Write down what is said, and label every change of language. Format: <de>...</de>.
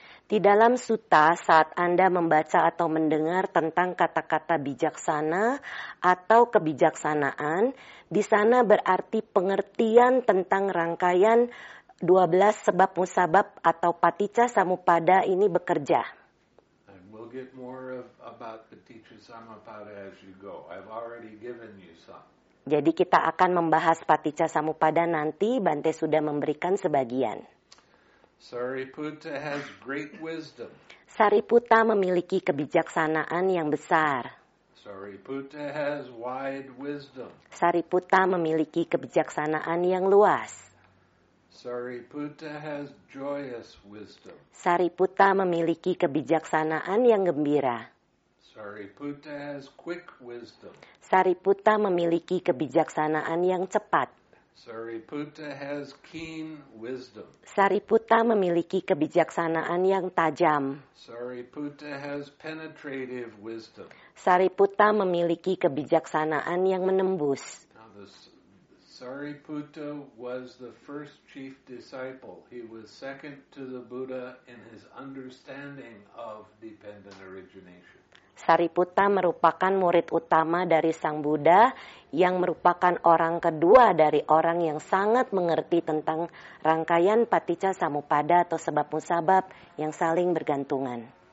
<id>Di dalam sutta, saat Anda membaca atau mendengar tentang kata-kata bijaksana atau kebijaksanaan, di sana berarti pengertian tentang rangkaian 12 sebab musabab atau paticca samuppada ini bekerja.</id> <en>And we'll get more about paticca samuppada as you go. I've already given you some.</en> <id>Jadi kita akan membahas paticca samuppada nanti, Bante sudah memberikan sebagian.</id> <en>Sariputta has great wisdom.</en> <id>Sariputta memiliki kebijaksanaan yang besar.</id> <en>Sariputta has wide wisdom.</en> <id>Sariputta memiliki kebijaksanaan yang luas.</id> <en>Sariputta has joyous wisdom.</en> <id>Sariputta memiliki kebijaksanaan yang gembira.</id> <en>Sariputta has quick wisdom.</en> <id>Sariputta memiliki kebijaksanaan yang cepat.</id> <en>Sariputta has keen wisdom.</en> <id>Sariputta memiliki kebijaksanaan yang tajam.</id> <en>Sariputta has penetrative wisdom.</en> <id>Sariputta memiliki kebijaksanaan yang menembus.</id> <en>Sariputta was the first chief disciple. He was second to the Buddha in his understanding of dependent origination.</en> <id>Sariputta merupakan murid utama dari Sang Buddha yang merupakan orang kedua dari orang yang sangat mengerti tentang rangkaian paticca samuppada atau sebab musabab yang saling bergantungan.</id>